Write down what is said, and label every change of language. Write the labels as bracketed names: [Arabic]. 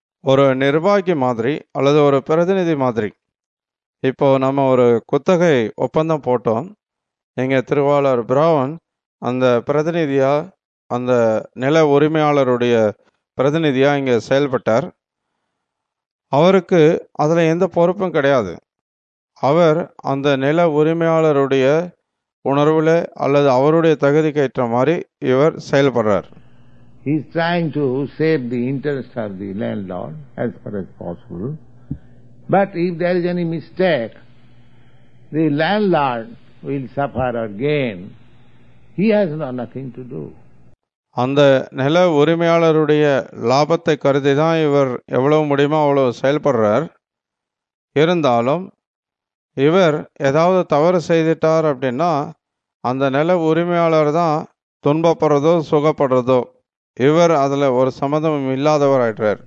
[Tamil] ஒரு நிர்வாகி மாதிரி அல்லது ஒரு பிரதிநிதி மாதிரி. இப்போ நம்ம ஒரு குத்தகை ஒப்பந்தம் போட்டோம், எங்கள் திருவாளர் பிரவுன் அந்த பிரதிநிதியாக, அந்த நில உரிமையாளருடைய பிரதிநிதியாக இங்கே செயல்பட்டார். அவருக்கு அதில் எந்த பொறுப்பும் கிடையாது. அவர் அந்த நில உரிமையாளருடைய உணர்வில் அல்லது அவருடைய தகுதிக்கு ஏற்ற மாதிரி இவர் செயல்படுறார். [English] He is trying to save the interest of the landlord as far as possible. But if there is any mistake, the landlord will suffer or gain. He has nothing to do. [Tamil] அந்த நில உரிமையாளருடைய லாபத்தை கருதி தான் இவர் எவ்வளவு முடியுமோ அவ்வளவு செயல்படுறார். இருந்தாலும் இவர் ஏதாவது தவறு செய்துட்டார் அப்படின்னா அந்த நில உரிமையாளர் தான் துன்பப்படுறதோ சுகப்படுறதோ, இவர் அதில் ஒரு சம்மந்தமும் இல்லாதவர் ஆயிட்டார்.